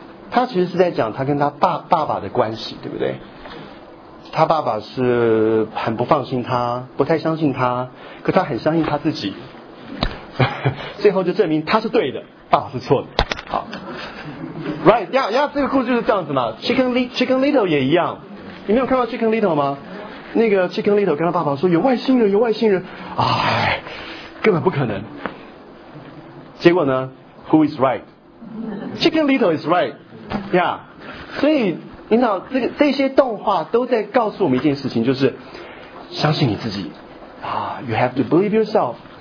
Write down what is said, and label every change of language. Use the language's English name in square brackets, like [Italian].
[Chinese] 他其实是在讲他跟他爸爸的关系，对不对？他爸爸是很不放心他，不太相信他，可他很相信他自己，最后就证明他是对的，爸爸是错的。好 ，Right， 呀呀，这个故事就是这样子嘛。 Chicken Little 也一样，你没有看到 Chicken Little 吗？那个 Chicken Little 跟他爸爸说有外星人，有外星人，哎，根本不可能。结果呢 ？ [English] Who is right？ Chicken Little is right， [Chinese] 呀、yeah ，所以你知道这些动画都在告诉我们一件事情，就是相信你自己啊 ， [English] You have to believe yourself。